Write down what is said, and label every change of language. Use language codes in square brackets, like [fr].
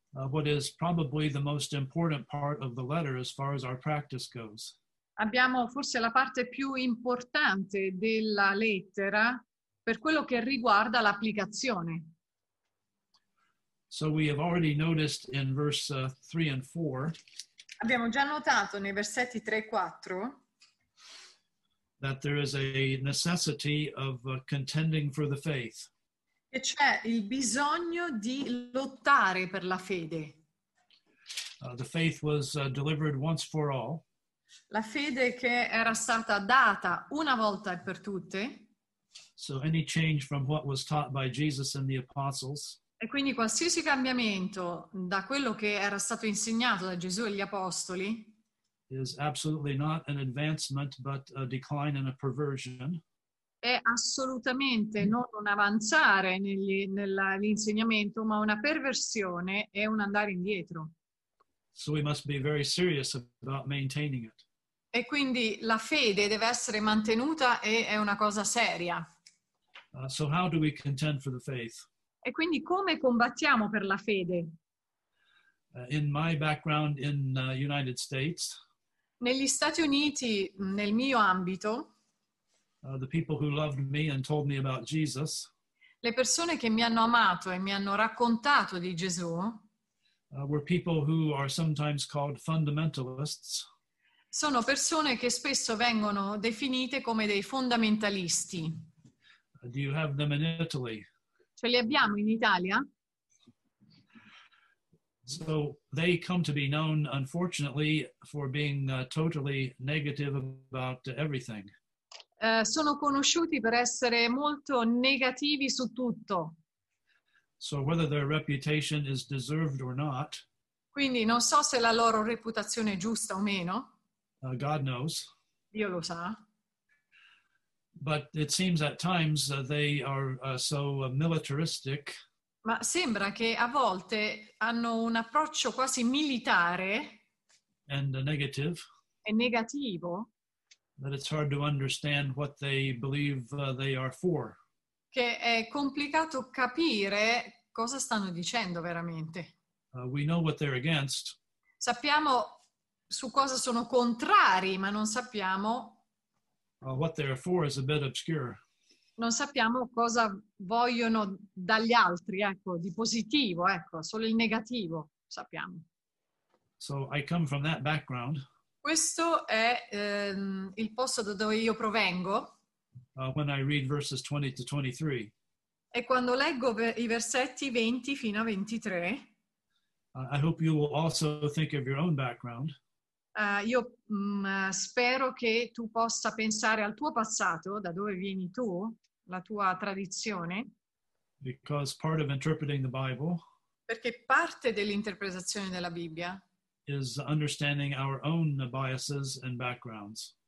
[en] What is probably the most important part of the letter as far as our practice goes. [it] Abbiamo forse la parte più importante della lettera per quello che riguarda l'applicazione. [en] So we have already noticed in verse 3 and 4. [it] Abbiamo già notato nei versetti 3 e 4. [en] That there is a necessity of contending for the faith. [it] Che c'è il bisogno di lottare per la fede. [en] The faith was delivered once for all. [it] La fede che era stata data una volta e per tutte. [en] So any change from what was taught by Jesus and the apostles. [it] E quindi qualsiasi cambiamento da quello che era stato insegnato da Gesù e gli apostoli. [en] Is absolutely not an advancement, but a decline and a perversion. [it] È assolutamente non un avanzare nell'insegnamento, ma una perversione e un andare indietro. [en] So we must be very serious about maintaining it. [it] E quindi la fede deve essere mantenuta e è una cosa seria. [en] So how do we contend for the faith? [it] E quindi come combattiamo per la fede? [en] In my background in United States. [it] Negli Stati Uniti, nel mio ambito, [en] the people who loved me and told me about Jesus, [it] le persone che mi hanno amato e mi hanno raccontato di Gesù, [en] were people who are sometimes called fundamentalists, [it] sono persone che spesso vengono definite come dei fondamentalisti. [en] Do you have them in Italy? [it] Ce li abbiamo in Italia? [en] So they come to be known, unfortunately, for being totally negative about everything. [it] sono conosciuti per essere molto negativi su tutto. [en] So whether their reputation is deserved or not. [it] Quindi non so se la loro reputazione è giusta o meno. [en] God knows. [it] Dio lo sa. [en] But it seems at times they are so militaristic. [it] Ma sembra che a volte hanno un approccio quasi militare. [en] And negative. [it] E negativo. [en] That it's hard to understand what they believe they are for. [it] Che è complicato capire cosa stanno dicendo veramente. [en] We know what they're against. [it] Sappiamo su cosa sono contrari, ma non sappiamo. [en] What they're for is a bit obscure. [it] Non sappiamo cosa vogliono dagli altri, ecco, di positivo, ecco, solo il negativo sappiamo. [en] So I come from that background. [it] Questo è il posto da dove io provengo. [en] When I read verses 20 to 23. [it] E quando leggo i versetti 20 fino a 23. [en] I hope you will also think of your own background. [it] Io spero che tu possa pensare al tuo passato, da dove vieni tu, la tua tradizione. [en] Because part of interpreting the Bible. [it] Perché parte dell'interpretazione della Bibbia. [en] Is understanding our own biases and backgrounds.